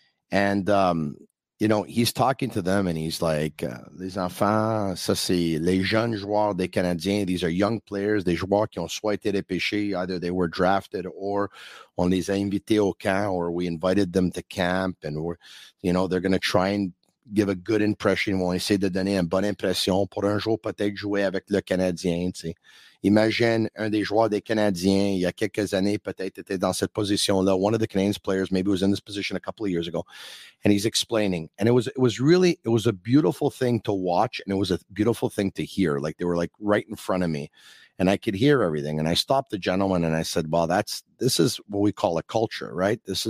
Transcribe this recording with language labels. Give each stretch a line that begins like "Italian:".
English: And you know, he's talking to them, and he's like,
French: les enfants, ça c'est les jeunes joueurs des Canadiens.
English: These are young players,
French: des joueurs qui ont soit été dépêchés.
English: Either they were drafted, or
French: on les a invités au camp,
English: or we invited them to camp. And, you know, they're going to try and give a good impression.
French: Ils vont essayer de donner une bonne impression pour un jour peut-être jouer avec le Canadien. T'sais. Imagine un des joueurs des Canadiens, il y a quelques années, peut-être était dans cette position-là.
English: One of the Canadiens players maybe was in this position a couple of years ago. And he's explaining. And it was a beautiful thing to watch, and it was a beautiful thing to hear. Like, they were like right in front of me, and I could hear everything. And I stopped the gentleman, and I said, well, this is what we call a culture, right?